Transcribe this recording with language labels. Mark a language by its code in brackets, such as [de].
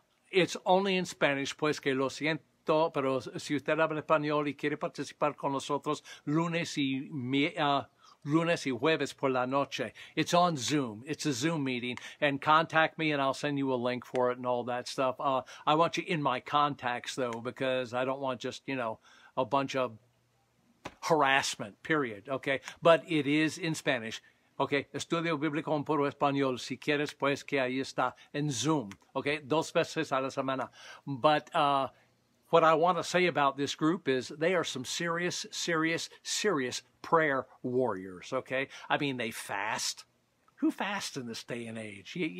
[en] It's only in Spanish, [es] pues que lo siento. Pero si usted habla español y quiere participar con nosotros lunes y jueves por la noche, [en] it's on Zoom. It's a Zoom meeting. And contact me and I'll send you a link for it and all that stuff. I want you in my contacts, though, because I don't want just, you know, a bunch of harassment, period. Okay. But it is in Spanish. Okay. [es] Estudio Bíblico en Puro Español. Si quieres, pues que ahí está en Zoom. Okay. Dos veces a la semana. [en] But, what I want to say about this group is they are some serious, serious, serious prayer warriors, okay? I mean, they fast. Who fasts in this day and age?